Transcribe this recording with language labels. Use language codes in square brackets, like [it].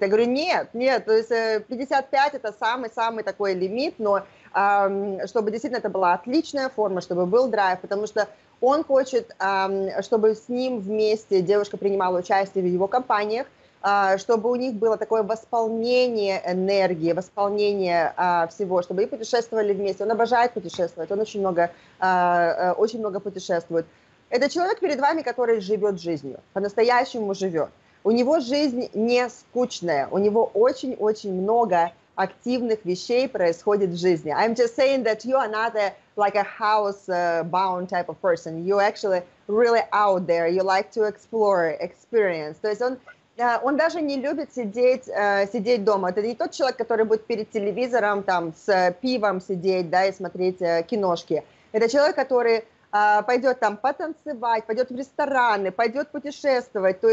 [ru] Я говорю, нет, то есть 55 – это самый-самый такой лимит, но чтобы действительно это была отличная форма, чтобы был драйв, потому что он хочет, чтобы с ним вместе девушка принимала участие в его компаниях, чтобы у них было такое восполнение энергии, восполнение всего, чтобы они путешествовали вместе. Он обожает путешествовать, он очень много путешествует. Это человек перед вами, который живет жизнью, по-настоящему живет. У него жизнь не скучная, у него очень-очень много активных вещей происходит в жизни. [en] I'm just saying that you are not a, like a house-bound type of person. You actually really out there. You like to explore, experience. [ru] То есть он даже не любит сидеть дома. Это не тот человек, который будет перед телевизором там с пивом сидеть, да, и смотреть киношки. Это человек, который пойдет там потанцевать, пойдет в рестораны, пойдет путешествовать.